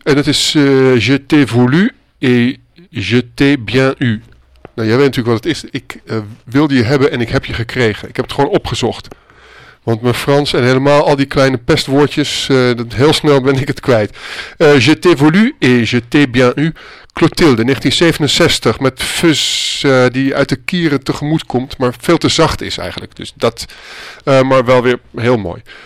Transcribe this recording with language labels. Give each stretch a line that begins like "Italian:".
Dutch: En het is
French: Je t'ai voulu et je t'ai bien eu.
Dutch: Nou, jij weet natuurlijk wat het is. Ik wilde je hebben en ik heb je gekregen. Ik heb het gewoon opgezocht. Want mijn Frans en helemaal al die kleine pestwoordjes, dat heel snel ben ik het kwijt.
French: Je t'ai voulu et je t'ai bien eu.
Dutch: Clotilde, 1967, met fus die uit de kieren tegemoet komt, maar veel te zacht is eigenlijk. Dus dat, maar wel weer heel mooi.